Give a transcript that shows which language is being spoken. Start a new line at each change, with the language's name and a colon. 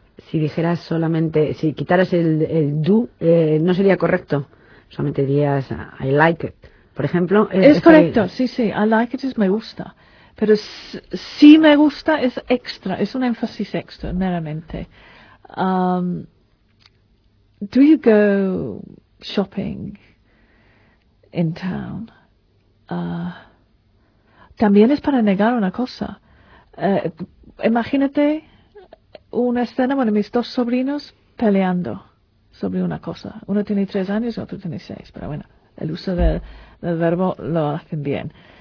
Spanish: Si dijeras solamente, si quitaras el do, no sería correcto. Solamente dirías
English: I like it.
Spanish: Por ejemplo, es correcto, ahí. Sí,
English: I like it,
Spanish: es me gusta. Pero sí me gusta es extra, es un énfasis extra, meramente.
English: Do you go shopping in town?
Spanish: También es para negar una cosa. Imagínate una escena, bueno, mis dos sobrinos peleando sobre una cosa. Uno tiene 3 años y otro tiene 6, pero bueno, el uso del verbo lo hacen bien.